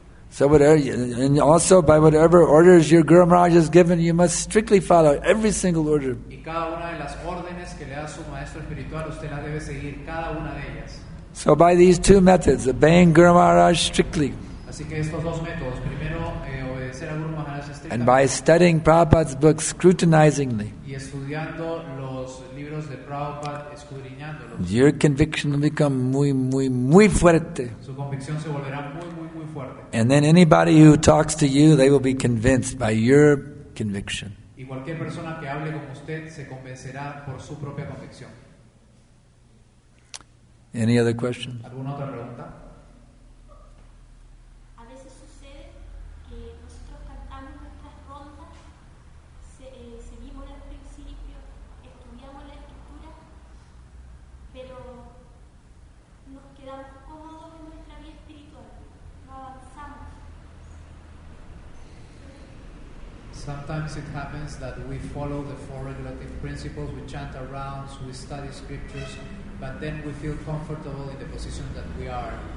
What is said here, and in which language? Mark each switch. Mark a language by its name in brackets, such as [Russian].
[English] So whatever, and also by whatever orders your Guru Maharaj has given, you must strictly follow every single order. [Spanish] Y cada una de las órdenes que le da su maestro espiritual, usted la debe seguir, cada una de ellas. [English] So by these two methods, obeying Guru Maharaj strictly. [Spanish] Así que estos dos métodos, primero obedecer a Guru Maharaj estrictamente. [English] And by studying Prabhupada's books scrutinizingly. [Spanish] Y estudiando los libros de Prabhupada, escudriñándolos. [English] Your conviction will become [Spanish] muy, muy, muy fuerte. Su convicción se volverá muy, muy, muy fuerte. [English] And then anybody who talks to you, they will be convinced by your conviction. [Spanish] Y cualquier persona que hable con usted se convencerá por su propia convicción. [English] Any other questions? [Spanish] ¿Alguna otra pregunta? A veces sucede que nosotros cantamos nuestras rondas, seguimos el principio, estudiamos la escritura, pero nos quedamos cómodos en nuestra vida espiritual, no avanzamos. [English] Sometimes it happens that we follow the four regulative principles, we chant rounds, we study scriptures, but then we feel comfortable in the position that we are.